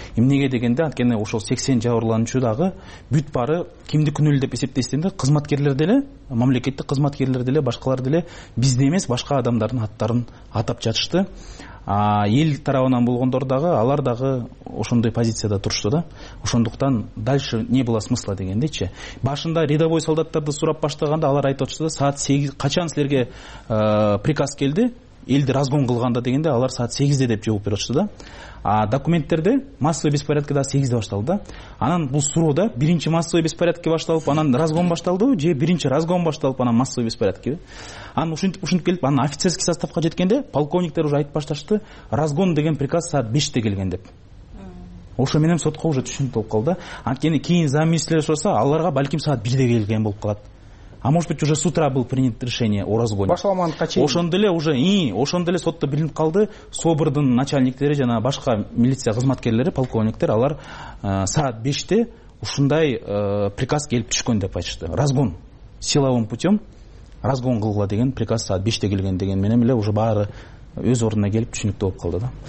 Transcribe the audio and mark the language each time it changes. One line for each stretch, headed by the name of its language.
Kyrgyz: Эмнеге дегенде, анткени ошол 80 жабырлануучу дагы бүт бары кимди күнөөлүү деп эсептесин деп кызматкерлер деле, мамлекеттик кызматкерлер деле, башкалар деле бизди эмес, башка адамдардын аттарын атап жатышты. Эл тарабынан болгондор дагы алар дагы ошондой позицияда турушту да. Ошондуктан
Russian: дальше не было смысла
Kyrgyz: дегендечи. Башында рядовой солдаттарды сурап баштаганда алар айтып атышты да, саат 8 качан силерге приказ келди элди разгон кылганда дегенде алар саат 8 деп жооп берип атышты да. Документтерде массовый беспорядки дагы 8 башталды да. Анан бул суроо да, биринчи массовый беспорядки башталып анан разгон башталдыбы же биринчи разгон башталып анан массовый беспорядкиби? Анан ушинтип келип анан офицерский составка жеткенде полковниктер уже айтып башташты, разгон деген приказ саат 5 келген деп. Ошо менен сотко уже түшүнүк болуп калды да. Анткени кийин замминистрлер сурса аларга балким саат 1 келген болуп калат.
Russian: А может быть уже с утра был принят решение о разгоне.
Kyrgyz: Башламанды качейин. Ошондо эле сотто билинип калды. Собордун начальниктери жана башка милиция кызматкерлери, полковниктер алар саат 5 ушундай приказ келип түшкөн деп айтышты. Разгон
Russian: силовым путём
Kyrgyz: разгон кылгыла деген приказ саат 5 келген деген менен эле уже баары өз ордуна келип түшүнүктүү болуп калды да.